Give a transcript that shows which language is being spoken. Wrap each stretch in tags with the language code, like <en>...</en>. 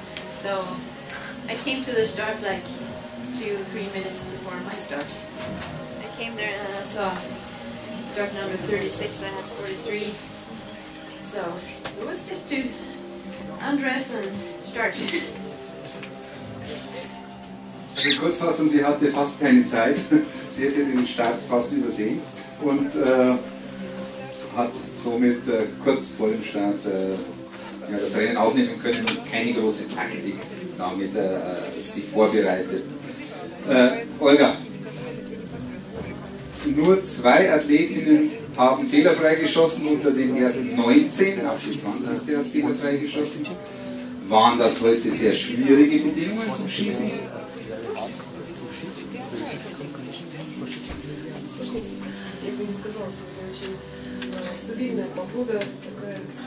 <en>So I came to the start like 2-3 minutes before my start. I came there and I saw start number 36, I had 43. So it was just to undress and start.</en> <de>Also Kurzfassung, sie hatte fast keine Zeit. Sie hätte den Start fast übersehen und hat somit kurz vor dem Start das Rennen aufnehmen können und keine große Taktik damit sich vorbereitet. Olga, nur zwei Athletinnen haben fehlerfrei geschossen unter den ersten 19, auch die 20. hat fehlerfrei geschossen. Waren das heute sehr schwierige Bedingungen zum Schießen?</de> <ru>Я бы не сказала, что это очень стабильная погода, такая</ru>